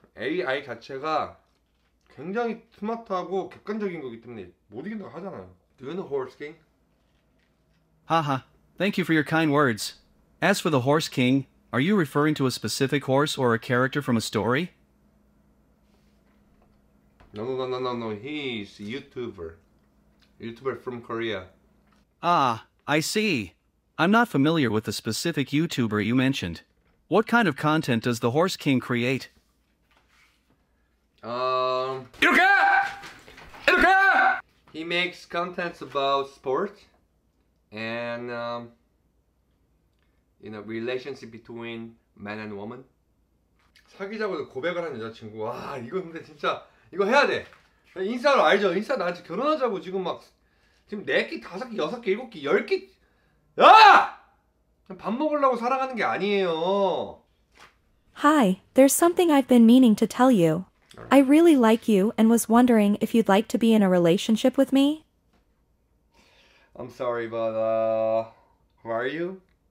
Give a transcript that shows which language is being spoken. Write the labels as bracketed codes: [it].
[ko] AI 자체가 굉장히 스마트하고 객관적인 거기 때문에 못 이긴다고 하잖아요. [en] Do you know Horse King? Haha, thank you for your kind words. As for the Horse King, are you referring to a specific horse or a character from a story? No, he's a YouTuber from Korea. Ah, I see. I'm not familiar with the specific YouTuber you mentioned. What kind of content does the Horse King create? [ko] 이렇게! 이렇게! [en] He makes contents about sport and relationship between man and woman. [ko] 사귀자고 고백을 한 여자친구. 와, 이거 근데 진짜 이거 해야 돼. 인싸로 알죠? 인싸 나한테 결혼하자고 지금 막 지금 4개, 5개, 6개, 7개, 10개. 야! 밥 먹으려고 사랑하는 게 아니에요. [en] Hi, there's something I've been meaning to tell you. I really like you and was wondering if you'd like to be in a relationship with me. I'm sorry, but who are you?